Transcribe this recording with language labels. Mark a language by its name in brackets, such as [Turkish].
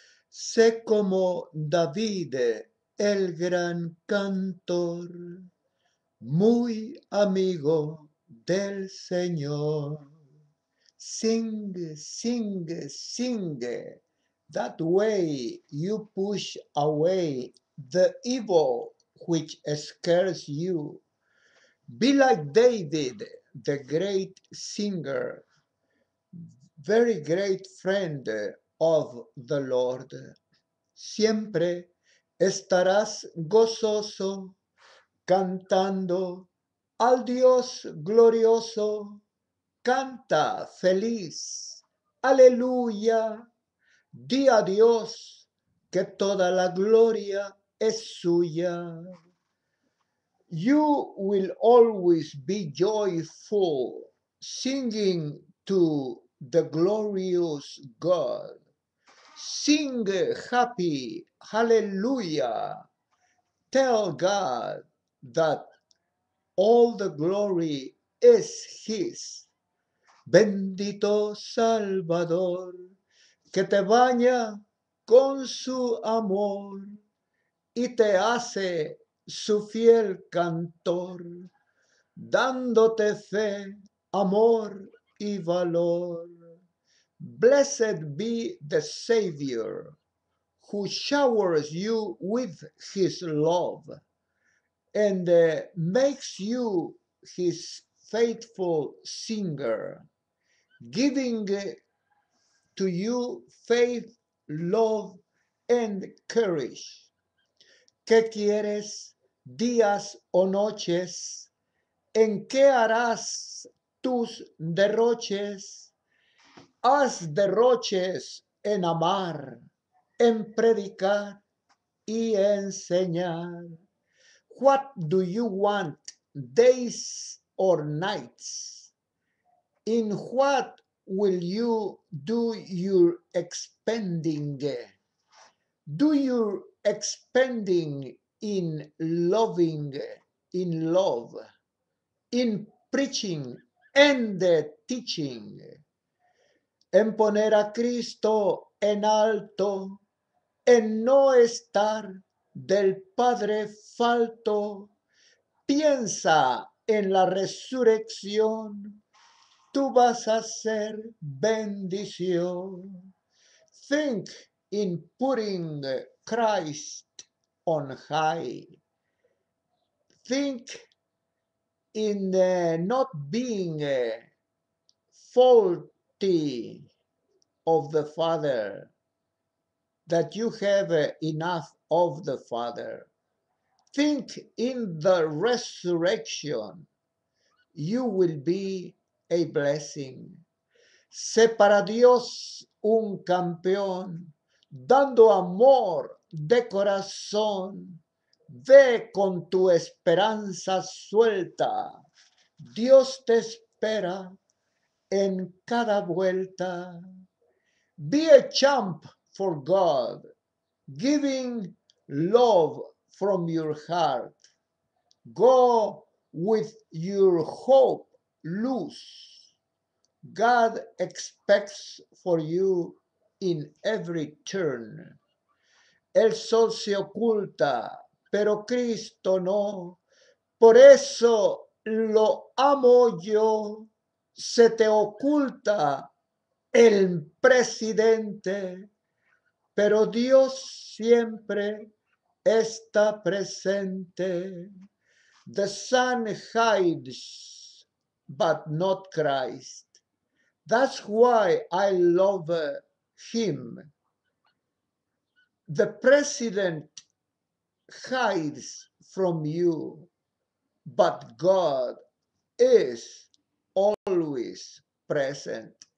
[Spanish] Sé como David, el gran cantor, muy amigo del Señor. [English] Sing, sing, sing. That way you push away the evil which scares you. Be like David, the great singer, very great friend of the Lord. [Spanish] Siempre estarás gozoso cantando al Dios glorioso. Canta feliz, aleluya. Di a Dios que toda la gloria es suya. [English] You will always be joyful singing to the glorious God. Sing happy, hallelujah. Tell God that all the glory is His. [Spanish] Bendito Salvador, que te baña con su amor y te hace su fiel cantor, dándote fe, amor y valor. [English] Blessed be the Savior, who showers you with his love and makes you his faithful singer, giving to you faith, love and courage. [Spanish] ¿Qué quieres, días o noches? ¿En qué harás tus derroches? Haz derroches en amar, en predicar y enseñar. [English] What do you want, days or nights? In what will you do your expending? Do your expending in loving, in love, in preaching and teaching, [Spanish] en poner a Cristo en alto, en no estar del Padre falto. Piensa en la resurrección. Tú vas a ser bendición. [English] Think in putting Christ on high. Think in not being faulty of the Father, that you have enough of the Father. Think in the resurrection. You will be a blessing. [Spanish] Sé para Dios un campeón, dando amor de corazón. Ve con tu esperanza suelta. Dios te espera en cada vuelta. [English] Be a champ for God, giving love from your heart. Go with your hope. Loose. God expects for you in every turn. [Spanish] El sol se oculta, pero Cristo no. Por eso lo amo yo. Se te oculta el presidente, pero Dios siempre está presente. [English] The sun hides, but not Christ. That's why I love him. The president hides from you, but God is always present.